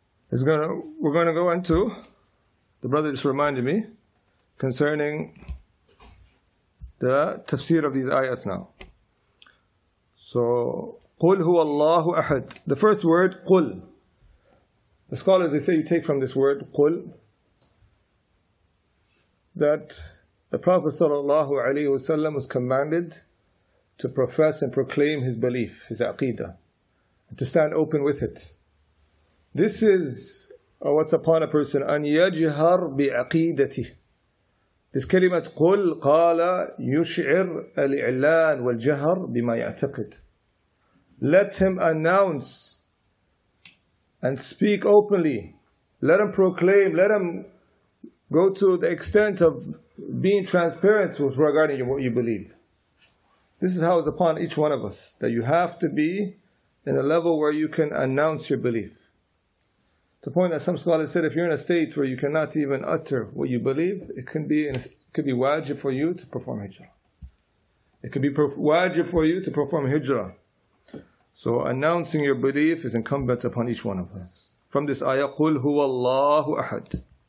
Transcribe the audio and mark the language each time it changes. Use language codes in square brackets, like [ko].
[en] We're gonna go into, the brother just reminded me, concerning the tafsir of these ayats now. So, [ar] قُلْ هُوَ اللَّهُ أَحَدْ. [en] The first word, قُلْ. The scholars, they say you take from this word, قُلْ, that the Prophet sallallahu alayhi wasallam was commanded to profess and proclaim his belief, his aqidah, and to stand open with it. This is what's upon a person, [ar] أَنْ يَجْهَرْ بِعَقِيدَتِهِ. [en] This kalimat, [ar] قُلْ قَالَ يُشْعِرْ الْإِعْلَانِ وَالْجَهَرْ بِمَا يَعْتَقِدْ. [en] Let him announce and speak openly. Let him proclaim. Let him go to the extent of being transparent with regarding what you believe. This is how it's upon each one of us, that you have to be in a level where you can announce your belief. To the point that some scholars said, if you're in a state where you cannot even utter what you believe, it could be wajib for you to perform hijrah. It could be wajib for you to perform hijrah. So announcing your belief is incumbent upon each one of us. From this ayah, [ar] قُلْ هُوَ اللَّهُ أَحَدْ.